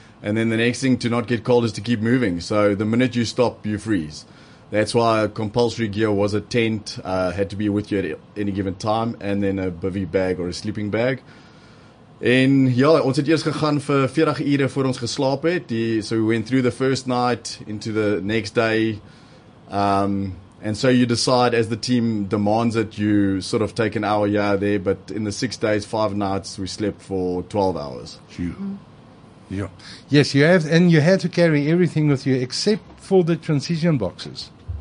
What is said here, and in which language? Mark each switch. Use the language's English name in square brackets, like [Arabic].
[English] And then the next thing to not get cold is to keep moving. So the minute you stop, you freeze. That's why compulsory gear was a tent, had to be with you at any given time, and then a bivy bag or a sleeping bag. [Afrikaans] En ja, ons het eers gegaan vir 40 ure voor ons geslaap het. [English] So we went through the first night into the next day. And so you decide, as the team demands it, you sort of take an hour here there, but in the 6 days, 5 nights, we slept for 12 hours. Yeah. Yes, you have, and you had to carry everything with you except for the transition boxes.